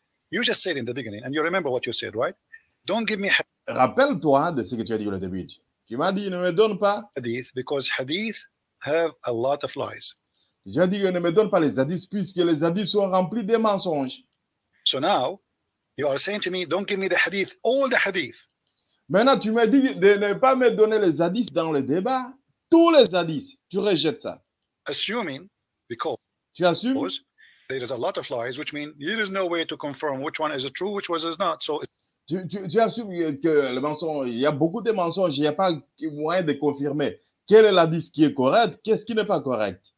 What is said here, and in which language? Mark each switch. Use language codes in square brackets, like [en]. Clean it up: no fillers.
[en] You just said in the beginning, and you remember what you said, right? Don't give me. [fr] Rappelle-toi de ce que tu as dit au début. Tu m'as dit, ne me donne pas. [en] Hadith, because hadith have a lot of lies. [fr] Tu as dit, ne me donne pas les hadiths, puisque les hadiths sont remplis de mensonges. [en] So now, you are saying to me, don't give me the hadith, all the hadith. [fr] Maintenant, tu m'as dit de ne pas me donner les hadiths dans le débat. Tous les hadiths, tu rejettes ça. [en] Assuming, because. [fr] Tu assumes? [en] There is a lot of lies, which means there is no way to confirm which one is true, which one is not. So. [fr] Tu assumes que le mensonge, il y a beaucoup de mensonges, il n'y a pas moyen de confirmer quel est l'hadith qui est correct, qu'est-ce qui n'est pas correct.